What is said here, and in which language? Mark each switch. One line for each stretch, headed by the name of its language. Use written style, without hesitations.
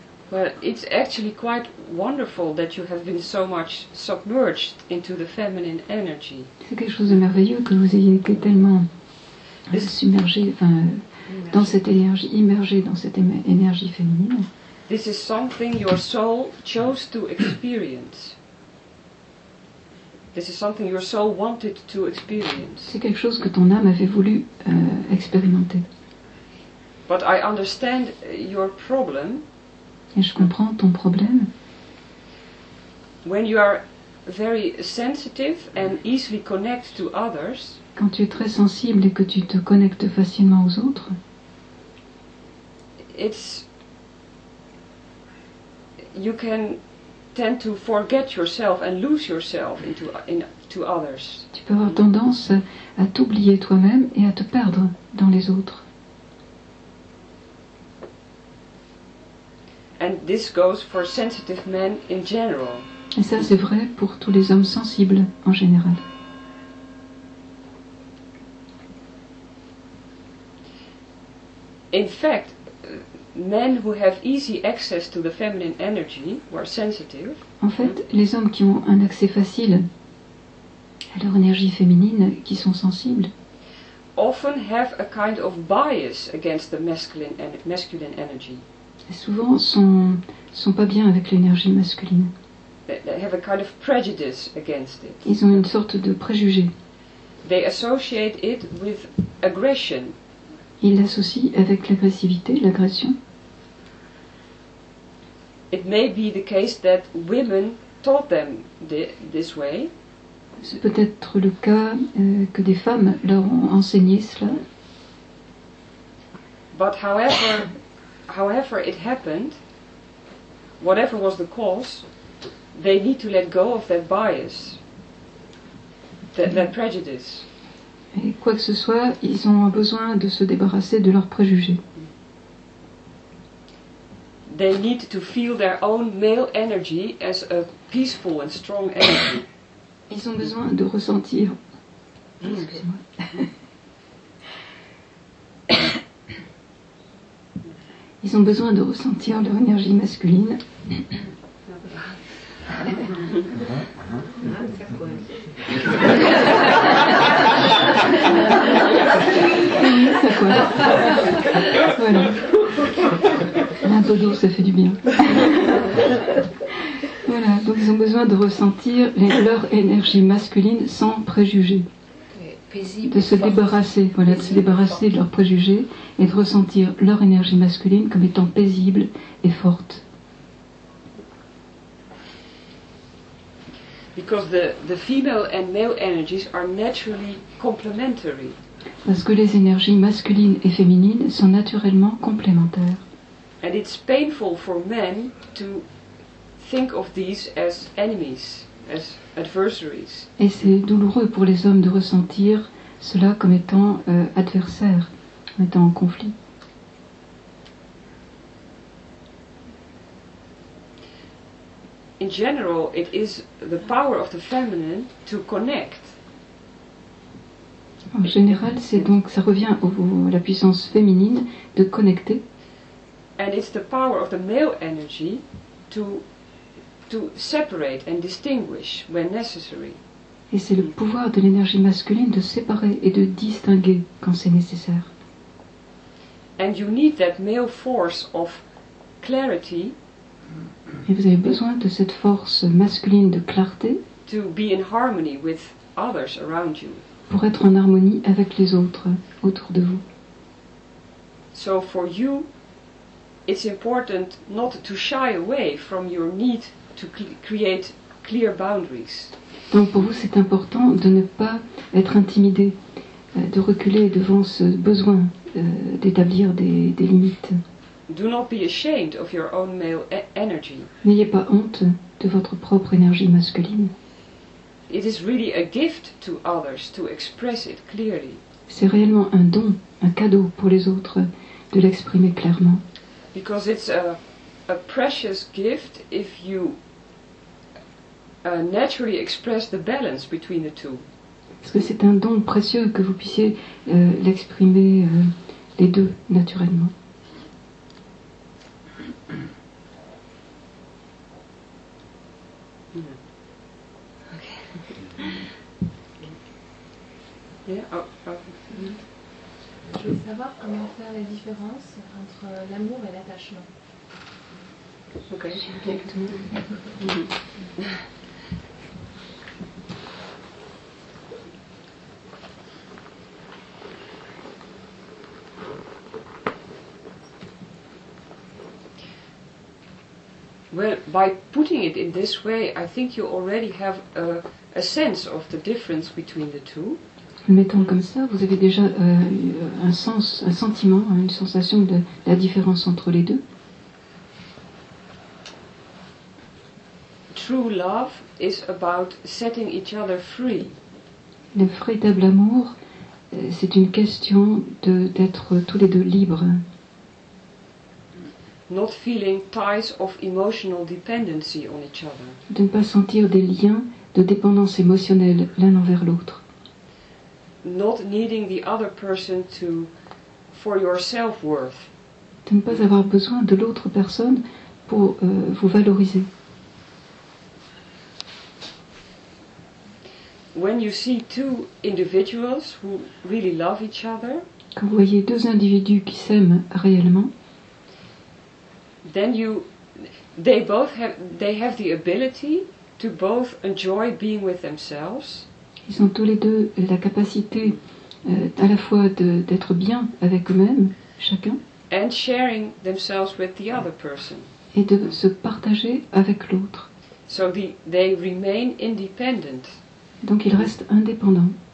English: Well, it's actually quite wonderful that you have been so much submerged into the feminine energy.
French: C'est quelque chose de merveilleux que vous ayez été tellement immergé dans cette énergie féminine.
English: This is something your soul chose to experience. This is something your soul wanted to experience.
French: C'est quelque chose que ton âme avait voulu expérimenter.
English: But I understand your problem.
French: Et je comprends ton problème.
English: When you are very sensitive and easily connect to others,
French: quand tu es très sensible et que tu te connectes facilement aux autres,
English: you can tend to forget yourself and lose yourself into others.
French: Tu peux avoir tendance à t'oublier toi-même et à te perdre dans les autres.
English: And this goes for sensitive men in general.
French: Et ça, c'est vrai pour tous les hommes sensibles en général.
English: In fact, men who have easy access to the feminine energy, who are sensitive.
French: En fait, les hommes qui ont un accès facile à leur énergie féminine, qui sont sensibles,
English: often have a kind of bias against the masculine energy.
French: Et souvent sont pas bien avec l'énergie masculine.
English: They have a kind of prejudice against it.
French: Ils ont une sorte de préjugé.
English: They associate it with aggression.
French: Ils l'associent avec l'agressivité, l'agression.
English: It may be the case that women taught them this way.
French: C'est peut-être le cas que des femmes leur ont enseigné cela.
English: But however it happened, whatever was the cause, they need to let go of that bias, that prejudice.
French: Et quoi que ce soit, ils ont besoin de se débarrasser de leurs préjugés.
English: They need to feel their own male energy as a peaceful and strong energy.
French: Ils ont besoin de ressentir. Ils ont besoin de ressentir leur énergie masculine. Ça quoi? Voilà. Un peu d'eau, ça fait du bien. Voilà, donc ils ont besoin de ressentir leur énergie masculine sans préjugés. De se débarrasser, voilà, de se débarrasser de leurs préjugés et de ressentir leur énergie masculine comme étant paisible et forte.
English: Because the female and male energies are naturally complementary.
French: Parce que les énergies masculines et féminines sont naturellement complémentaires.
English: And it's painful for men to think of these as enemies, as adversaries.
French: Et c'est douloureux pour les hommes de ressentir cela comme étant adversaires, comme étant en conflit.
English: In general, it is the power of the feminine to connect.
French: En général, c'est donc ça revient à la puissance féminine de connecter.
English: And it's the power of the male energy to separate and distinguish when necessary.
French: Et c'est le pouvoir de l'énergie masculine de séparer et de distinguer quand c'est nécessaire.
English: And you need that male force of clarity.
French: Et vous avez besoin de cette force masculine de clarté
English: to be in harmony with others around you.
French: Pour être en harmonie avec les autres autour de vous.
English: So for you, it's important not to shy away from your need to create clear boundaries.
French: Donc pour vous, c'est important de ne pas être intimidé, de reculer devant ce besoin d'établir des limites.
English: Do not be ashamed of your own male energy.
French: N'ayez pas honte de votre propre énergie masculine.
English: It is really a gift to others to express it clearly.
French: C'est réellement un don, un cadeau pour les autres de l'exprimer clairement.
English: Because it's a precious gift if you naturally express the balance between the two.
French: Parce que c'est un don précieux que vous puissiez l'exprimer les deux naturellement. Je veux savoir comment faire la différence entre l'amour et l'attachement. Ok, j'ai bien tout.
English: Well, by putting it in this way, I think you already have a sense of the difference between the two.
French: Mettons comme ça, vous avez déjà un sens, un sentiment, une sensation de la différence entre les deux.
English: True love is about setting each other free.
French: Le véritable amour, c'est une question d'être tous les deux libres.
English: Not feeling ties of emotional dependency on each other.
French: De ne pas sentir des liens de dépendance émotionnelle l'un envers l'autre.
English: Not needing the other person to for your self-worth.
French: De ne pas avoir besoin de l'autre personne pour vous valoriser.
English: When you see two individuals who really love each other,
French: quand vous voyez deux individus qui s'aiment réellement,
English: then you they have the ability to both enjoy being with themselves.
French: Ils ont tous les deux la capacité à la fois d'être bien avec eux-mêmes, chacun,
English: and sharing themselves with the other person.
French: Et de se partager avec l'autre.
English: So they remain independent.
French: Donc ils restent indépendants.